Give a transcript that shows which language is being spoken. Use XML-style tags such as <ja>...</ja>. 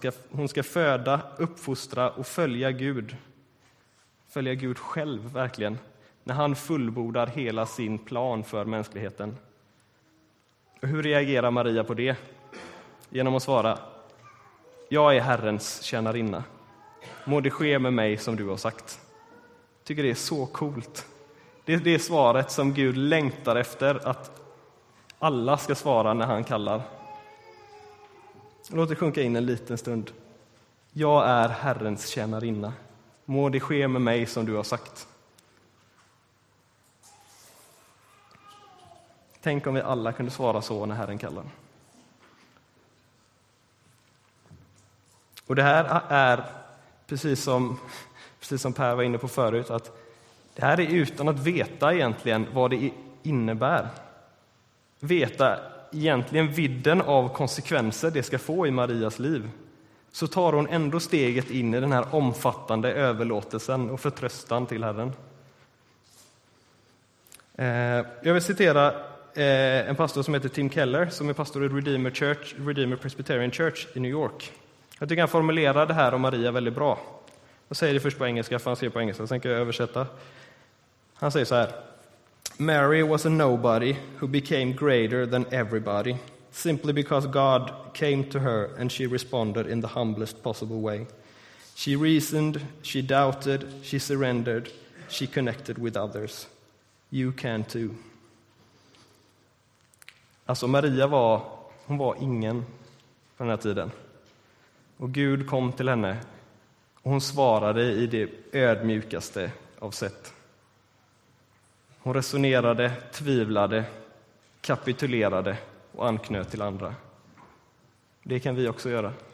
<sv>Hon ska föda, uppfostra och följa Gud. Följa Gud själv, verkligen. När han fullbordar hela sin plan för mänskligheten. Och hur reagerar Maria på det? Genom att svara: jag är Herrens tjänarinna. Må det ske med mig som du har sagt. Jag tycker det är så coolt. Det är svaret som Gud längtar efter att alla ska svara när han kallar. Låt det sjunka in en liten stund. Jag är Herrens tjänarinna. Må det ske med mig som du har sagt. Tänk om vi alla kunde svara så när Herren kallar. Och det här är, precis som Per var inne på förut, att det här är utan att veta egentligen vad det innebär. Veta egentligen vidden av konsekvenser det ska få i Marias liv. Så tar hon ändå steget in i den här omfattande överlåtelsen och förtröstan till Herren. Jag vill citera en pastor som heter Tim Keller, som är pastor i Redeemer Church, Redeemer Presbyterian Church i New York. Jag tycker han formulerar det här om Maria väldigt bra. Jag säger det först på engelska, för han skriver på engelska, sen kan jag översätta. Han säger så här:</sv> <en>Mary was a nobody who became greater than everybody simply because God came to her and she responded in the humblest possible way. She reasoned, she doubted, she surrendered, she connected with others. You can too.</en> <sv>Alltså Maria var, hon var ingen på den här tiden. Och Gud kom till henne och hon svarade i det ödmjukaste av sätt. Hon resonerade, tvivlade, kapitulerade och anknöt till andra. Det kan vi också göra.</sv>